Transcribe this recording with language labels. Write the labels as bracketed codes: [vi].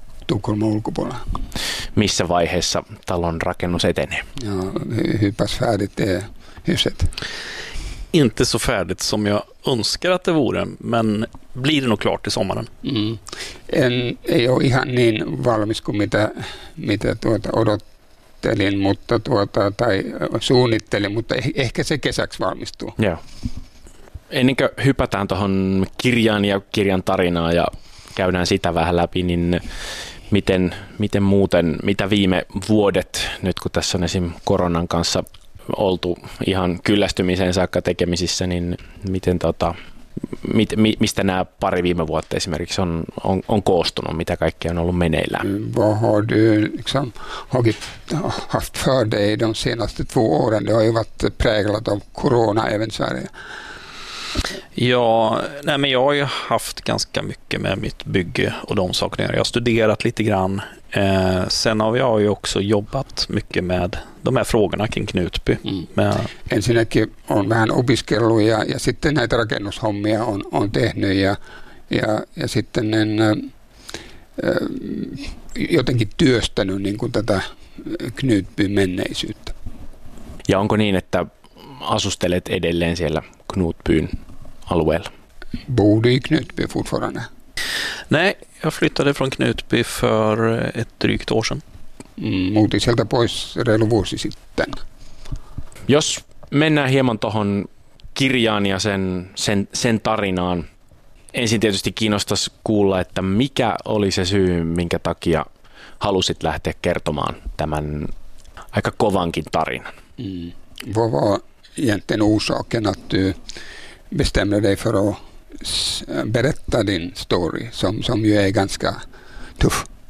[fi] Tukholman ulkopuolella. Missä vaiheessa talon rakennus etenee? [sv] Joo, hyppäs färdigt det huset. Inte så färdigt som jag önskar att det vore, men blir det nog klart i sommaren. [fi] Ei ole ihan niin valmis kuin mitä odottelin, mutta tai suunnittelin, mutta ehkä se kesäksi valmistuu. Joo. Ennen kuin hypätään tuohon kirjaan ja kirjan tarinaan ja käydään sitä vähän läpi, niin miten muuten, mitä viime vuodet, nyt kun tässä on esim. Koronan kanssa oltu ihan kyllästymiseen saakka tekemisissä, niin miten mistä nämä pari viime vuotta esimerkiksi on koostunut, mitä kaikkea on ollut meneillään? [sv] Vad har du liksom haft för dig de senaste två åren? Det har ju varit präglat av corona även Sverige. Ja, nej, men jag har ju haft ganska mycket med mitt bygge och de sakerna. Jag har studerat lite grann. Sen har jag ju också jobbat mycket med de här frågorna kring Knutby. Mm. Med... [fi] Ensinnäkin on vähän opiskellut ja sitten näitä rakennushommia on tehnyt ja sitten en jotenkin työstänyt niin kuin tätä Knutbyn menneisyyttä. Ja onko niin, että asustelet edelleen siellä Knutbyn alueella? [sv] Bodde i Knutby fortfarande? Nej, jag flyttade från Knutby för ett drygt år sedan. [fi] Muutin sieltä pois reilu vuosi sitten. Jos mennään hieman tuohon kirjaan ja sen tarinaan, ensin tietysti kiinnostaisi kuulla, että mikä oli se syy, minkä takia halusit lähteä kertomaan tämän aika kovankin tarinan. [sv] Vad var egentligen orsaken att du bestämde dig för att berätta din story som ju är ganska tuff?